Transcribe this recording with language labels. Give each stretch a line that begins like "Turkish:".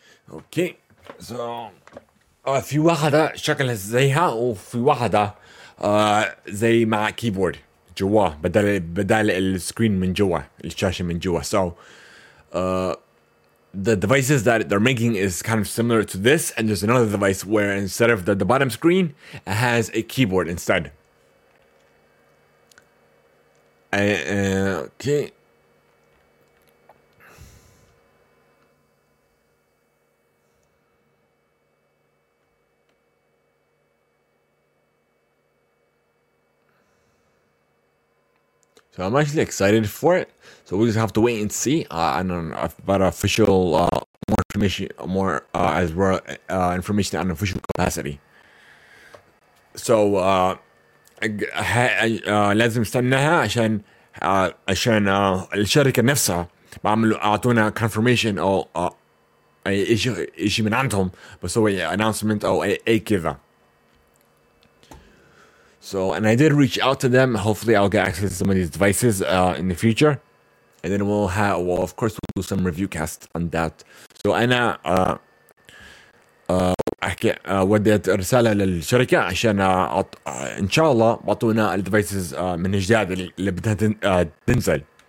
Arabic: اوكي سو في واحده شكلها زيها وفي واحده زي مع كيبورد جوا بدل السكرين من جوا الشاشه من جوا.
English: So the devices that they're making is kind of similar to this, and there's another device where instead of the bottom screen it has a keyboard instead. Okay So I'm actually excited for it. So we just have to wait and see. And about official more information, more as well information on official capacity.
Arabic: So لازم استناها عشان عشان الشركة نفسها بعمل أعطونا confirmation أو إشي من عندهم بسوي announcement أو أي كذا.
English: So, and I did reach out to them. Hopefully, I'll get access to some of these devices in the future. And then we'll have, well, of course, we'll do some review cast on that.
Arabic: So, أنا أحكي وديت رسالة للشركة عشان إن شاء الله بعطونا الـ devices من الجداد اللي بدها تنزل.